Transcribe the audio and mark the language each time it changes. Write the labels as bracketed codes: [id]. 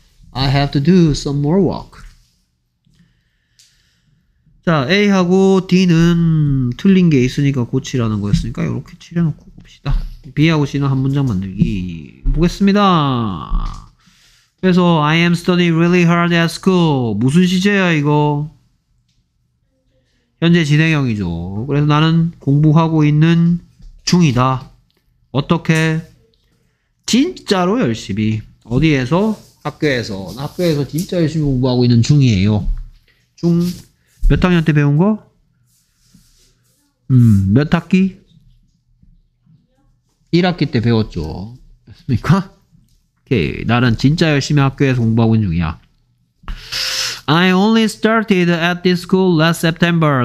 [en] I have to do some more work. [ko] 자, A하고 D는 틀린 게 있으니까 고치라는 거였으니까 이렇게 칠해놓고 봅시다. B하고 C는 한 문장 만들기 보겠습니다. 그래서 [en] I am studying really hard at school. [ko] 무슨 시제야 이거? 현재 진행형이죠. 그래서 나는 공부하고 있는 중이다. 어떻게? 진짜로 열심히 어디에서? 학교에서. 학교에서 진짜 열심히 공부하고 있는 중이에요. 중 몇 학년 때 배운 거? 몇 학기? 1학기 때 배웠죠. 됐습니까? 오케이. 나는 진짜 열심히 학교에서 공부하고 있는 중이야. [en] I only started at this school last September.